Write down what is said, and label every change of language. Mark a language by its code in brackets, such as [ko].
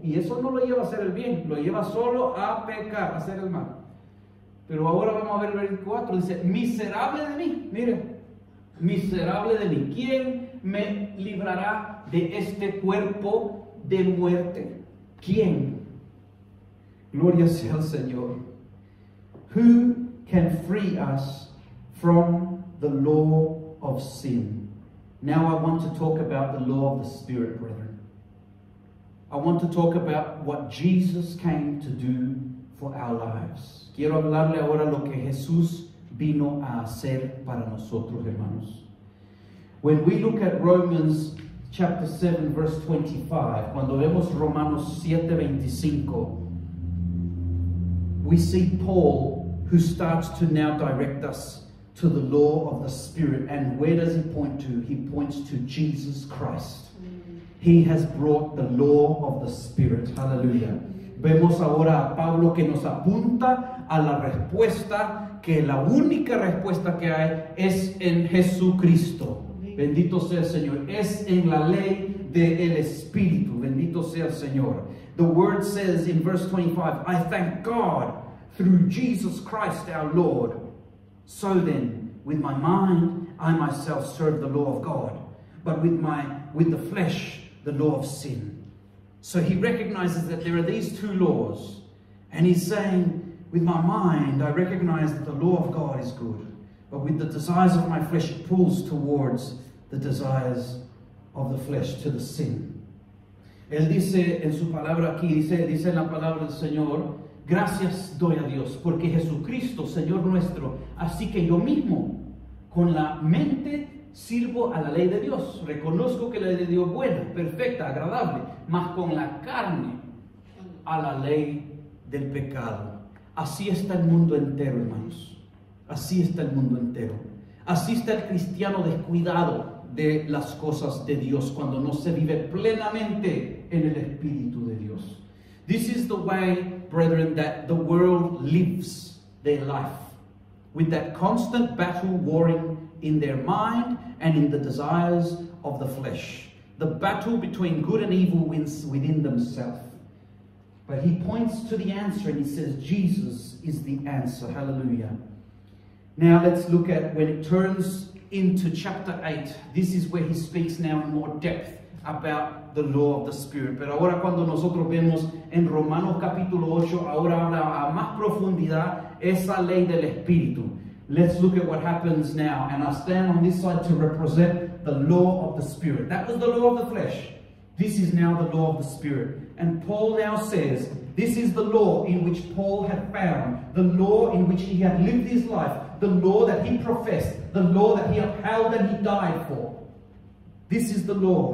[es] Y eso no lo lleva a hacer el bien, lo lleva solo a pecar, a hacer el mal. Pero ahora vamos a ver el versículo 4, dice, miserable de mí, mire, miserable de mí, ¿quién me librará de este cuerpo de muerte? ¿Quién? Gloria sea al Señor. [en] Who can free us from the law of sin? Now I want to talk about the law of the Spirit, brethren. I want to talk about what Jesus came to do for our lives. [es] Quiero hablarle ahora lo que Jesús vino a hacer para nosotros, hermanos. [en] When we look at Romans chapter 7, verse 25, [es] cuando vemos Romanos 7, 25, [en] we see Paul, who starts to now direct us to the law of the Spirit. And where does he point to? He points to Jesus Christ. He has brought the law of the Spirit. Hallelujah. [es] Vemos ahora a Pablo que nos apunta a la respuesta, que la única respuesta que hay es en Jesucristo. Bendito sea el Señor. Es en la ley del Espíritu. Bendito sea el Señor. [en] The word says in verse 25, I thank God through Jesus Christ our Lord. So then, with my mind, I myself serve the law of God. But with the flesh, the law of sin. So he recognizes that there are these two laws. And he's saying, with my mind, I recognize that the law of God is good. but with the desires of my flesh, it pulls towards the desires of the flesh, to the sin. [es] Él dice en su palabra aquí, dice en la palabra del Señor, gracias doy a Dios, porque Jesucristo, Señor nuestro, así que yo mismo, con la mente, sirvo a la ley de Dios. Reconozco que la ley de Dios es buena, perfecta, agradable, mas con la carne, a la ley del pecado. Así está el mundo entero, hermanos. Así está el mundo entero. Así está el cristiano descuidado de las cosas de Dios cuando no se vive plenamente en el Espíritu de Dios. [en] This is the way, brethren, that the world lives their life, with that constant battle warring in their mind and in the desires of the flesh. The battle between good and evil wins within themselves. But he points to the answer and he says, Jesus is the answer. Hallelujah. Now let's look at when it turns into chapter 8. This is where he speaks now in more depth about the law of the Spirit. [es] Pero ahora cuando nosotros vemos en Romanos capítulo 8, ahora habla a más profundidad esa ley del Espíritu. [en] Let's look at what happens now. And I stand on this side to represent the law of the Spirit. That was the law of the flesh. This is now the law of the Spirit. And Paul now says, this is the law in which Paul had found, the law in which he had lived his life, the law that he professed, the law that he upheld and he died for. This is the law.